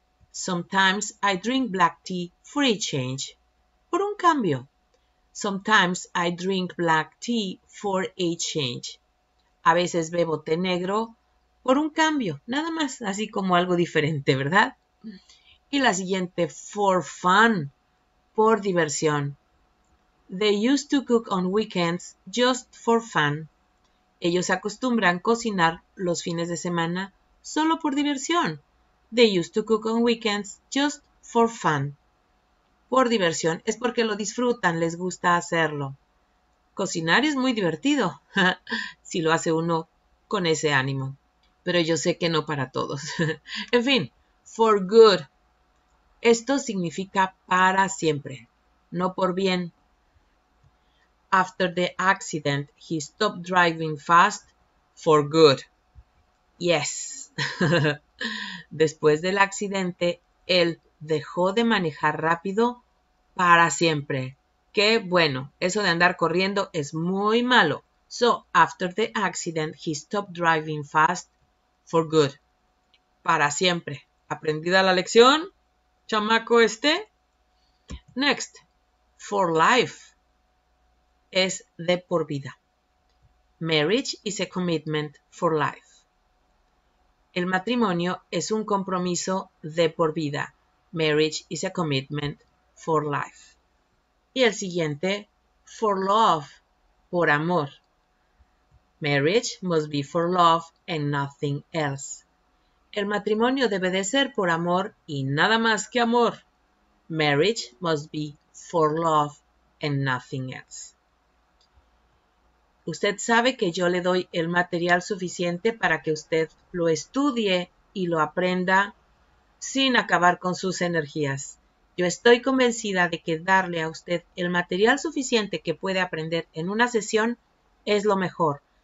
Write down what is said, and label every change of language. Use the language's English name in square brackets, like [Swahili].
[English] Sometimes I drink black tea for a change. [Spanish] Por un cambio. [English] Sometimes I drink black tea for a change. [Spanish] A veces bebo té negro por un cambio, nada más, así como algo diferente, ¿verdad? Y la siguiente, for fun, por diversión. [English] They used to cook on weekends just for fun. [Spanish] Ellos acostumbran cocinar los fines de semana solo por diversión. [English] They used to cook on weekends just for fun. [Spanish] Por diversión, es porque lo disfrutan, les gusta hacerlo. Cocinar es muy divertido, si lo hace uno con ese ánimo. Pero yo sé que no para todos. En fin, for good. Esto significa para siempre, no por bien. [English] after the accident, he stopped driving fast for good. Yes. [Spanish] Después del accidente, él dejó de manejar rápido para siempre. Qué bueno, eso de andar corriendo es muy malo. [English] So, after the accident, he stopped driving fast for good. [Spanish] Para siempre. ¿Aprendida la lección, chamaco este? [English] Next, for life. [Spanish] Es de por vida. [English] Marriage is a commitment for life. [Spanish] El matrimonio es un compromiso de por vida. [English] Marriage is a commitment for life. [Spanish] Y el siguiente, [English] for love, por amor. Marriage must be for love and nothing else. [Spanish] El matrimonio debe de ser por amor y nada más que amor. [English] Marriage must be for love and nothing else. [Spanish] Usted sabe que yo le doy el material suficiente para que usted lo estudie y lo aprenda sin acabar con sus energías. Yo estoy convencida de que darle a usted el material suficiente que puede aprender en una sesión es lo mejor.